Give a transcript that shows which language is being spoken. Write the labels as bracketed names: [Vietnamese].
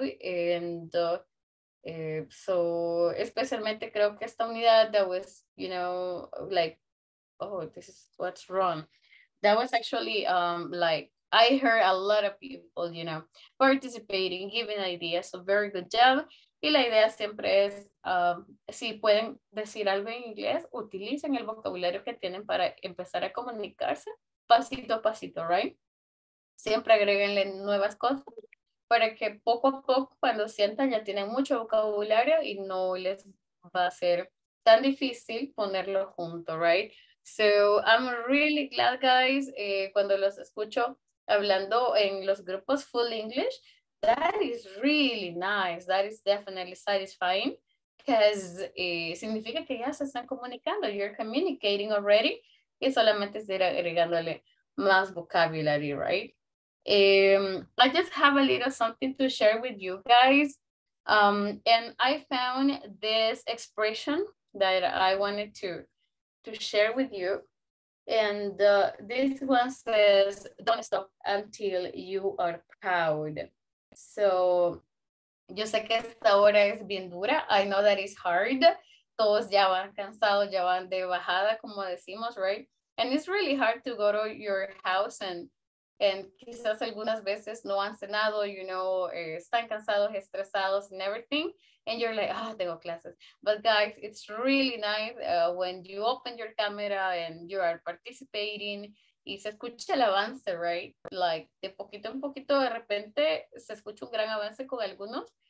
[English] And so, [Spanish] especialmente creo que esta unidad [English] that was, you know, like, oh, this is what's wrong. That was actually like, I heard a lot of people, you know, participating, giving ideas. So very good job. [Spanish] Y la idea siempre es, si pueden decir algo en inglés, utilicen el vocabulario que tienen para empezar a comunicarse pasito a pasito, right? Siempre agréguenle nuevas cosas para que poco a poco, cuando sientan, ya tienen mucho vocabulario y no les va a ser tan difícil ponerlo junto, right? [English] So I'm really glad, guys, [Spanish] cuando los escucho hablando en los grupos [English] Full English. That is really nice. That is definitely satisfying because [Spanish] significa que ya se están comunicando. [English] You're communicating already. [Spanish] Y solamente estar agregándole más [English] vocabulary, right? I just have a little something to share with you guys. And I found this expression that I wanted to share with you. And this one says, don't stop until you are proud. [Spanish] So, yo sé que esta hora es bien dura. [English] I know that it's hard. [Spanish] Todos ya van cansados, ya van de bajada, como decimos, right? [English] And it's really hard to go to your house and [Spanish] quizás algunas veces no han cenado, [English] you know, [Spanish] están cansados, estresados, [English] and everything. And you're like, oh, [Spanish] tengo clases. [English] But guys, it's really nice when you open your camera and you are participating. [Spanish] Y se escucha el avance, right? Like, de poquito en poquito, de repente, se escucha un gran avance con algunos.